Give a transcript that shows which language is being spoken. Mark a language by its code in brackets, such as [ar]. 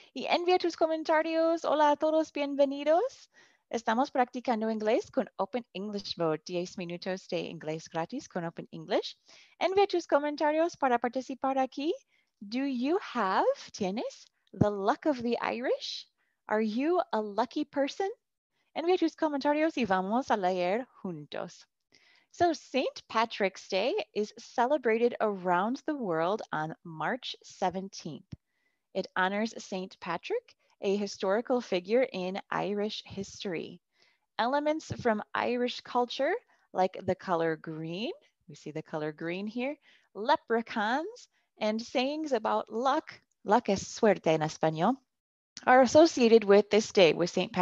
[es] Y envía tus comentarios. Hola a todos, bienvenidos. Estamos practicando inglés con Open English Mode. 10 minutos de inglés gratis con Open English. Envía tus comentarios para participar aquí. [en] Do you have, [es] tienes, [en] the luck of the Irish? Are you a lucky person? [es] Envía tus comentarios y vamos a leer juntos. [en] So St. Patrick's Day is celebrated around the world on March 17th. It honors St. Patrick, a historical figure in Irish history. Elements from Irish culture, like the color green, we see the color green here, leprechauns, and sayings about luck, luck [es] es suerte en español, [en] are associated with this day, with St.